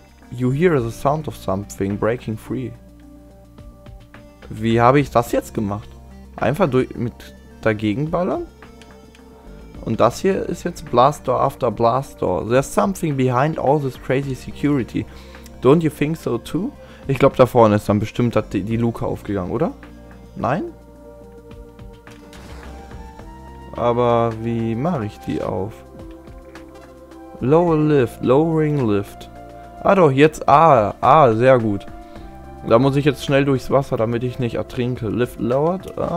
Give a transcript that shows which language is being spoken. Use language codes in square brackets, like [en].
[en] You hear the sound of something breaking free. [de] Wie habe ich das jetzt gemacht? Einfach durch mit dagegen ballern? Und das hier ist jetzt [en] Blast Door after Blast Door. There's something behind all this crazy security. Don't you think so too? [de] Ich glaube, da vorne ist dann bestimmt die Luke aufgegangen, oder? Nein? Aber wie mache ich die auf? [en] Lowering Lift. [de] Ah doch, jetzt. Ah, sehr gut. Da muss ich jetzt schnell durchs Wasser, damit ich nicht ertrinke. [en] Lift lowered.